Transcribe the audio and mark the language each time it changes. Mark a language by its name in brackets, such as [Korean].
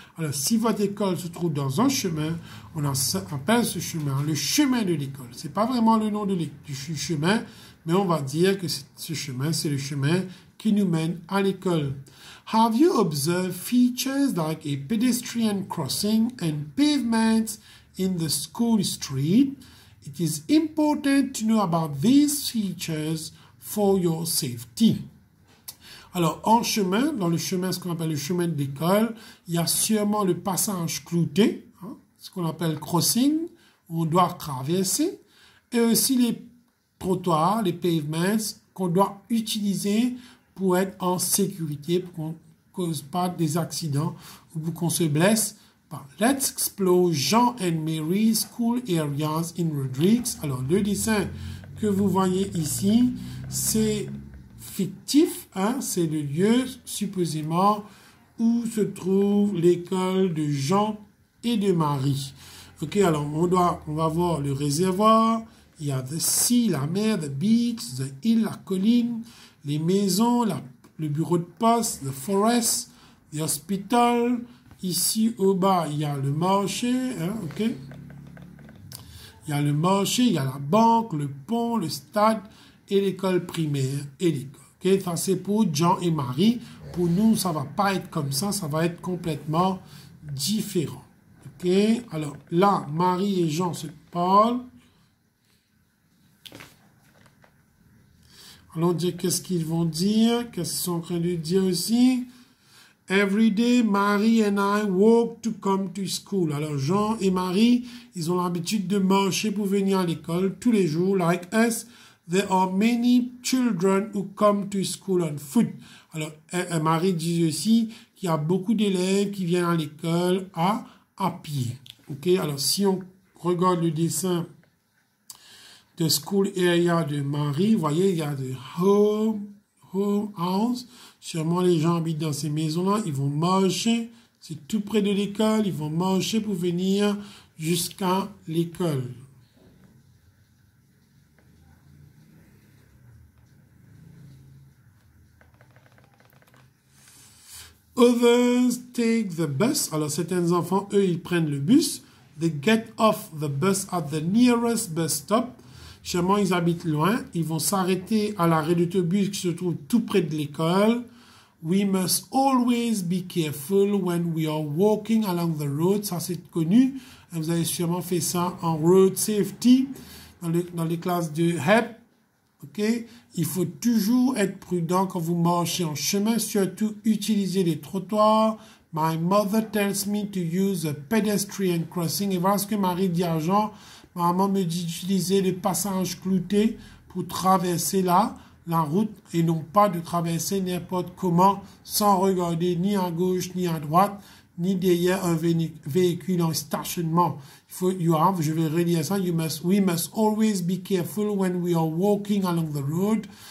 [French] Alors, si votre école se trouve dans un chemin, on appelle ce chemin le chemin de l'école. C'est pas vraiment le nom du chemin, mais on va dire que ce chemin, c'est le chemin qui nous mène à l'école. [English] Have you observed features like a pedestrian crossing and pavements in the school street? It is important to know about these features for your safety. [French] Alors, en chemin, dans le chemin, ce qu'on appelle le chemin de l'école, il y a sûrement le passage clouté, hein, ce qu'on appelle crossing, où on doit traverser, et aussi les trottoirs, les pavements qu'on doit utiliser pour être en sécurité, pour qu'on ne cause pas des accidents ou pour qu'on se blesse. Bon. [English] Let's explore Jean and Mary's school areas in Rodrigues. [French] Alors, le dessin que vous voyez ici, c'est fictif. Hein? C'est le lieu, supposément, où se trouve l'école de Jean et de Marie. OK, alors, on va voir le réservoir. Il y a [English] the sea, [French] la mer, [English] the beach, the hill, [French] la colline, les maisons, le bureau de poste, [English] the forest, the hospital. [French] Ici, au bas, il y a le marché, hein, OK? Il y a le marché, il y a la banque, le pont, le stade et l'école primaire et l'école. OK, ça, c'est pour Jean et Marie. Pour nous, ça ne va pas être comme ça. Ça va être complètement différent. OK? Alors, là, Marie et Jean se parlent. Allons dire qu'est-ce qu'ils vont dire, qu'est-ce qu'ils sont en train de dire aussi. [English] Every day, Marie and I walk to come to school. [French] Alors, Jean et Marie, ils ont l'habitude de marcher pour venir à l'école tous les jours. [English] Like us, there are many children who come to school on foot. [French] Alors, Marie dit aussi qu'il y a beaucoup d'élèves qui viennent à l'école à pied. OK, alors si on regarde le dessin, [English] the school area [French] de Marie, vous voyez, il y a [English] the home house. [French] Sûrement, les gens habitent dans ces maisons-là. Ils vont marcher, c'est tout près de l'école. Ils vont marcher pour venir jusqu'à l'école. [English] Others take the bus. [French] Alors, certains enfants, eux, ils prennent le bus. [English] They get off the bus at the nearest bus stop. [French] Seulement, ils habitent loin. Ils vont s'arrêter à l'arrêt d'autobus qui se trouve tout près de l'école. [English] We must always be careful when we are walking along the road. [French] Ça, c'est connu. Vous avez sûrement fait ça en road safety, dans les classes de HEP. Okay? Il faut toujours être prudent quand vous marchez en chemin, surtout utiliser les trottoirs. [English] My mother tells me to use a pedestrian crossing. [French] Et voilà ce que Marie dit à Jean. Maman me dit d'utiliser le passage clouté pour traverser la route et non pas de traverser n'importe comment sans regarder ni à gauche ni à droite ni derrière un véhicule en stationnement. Je vais relire ça. [English] We must always be careful when we are walking along the road.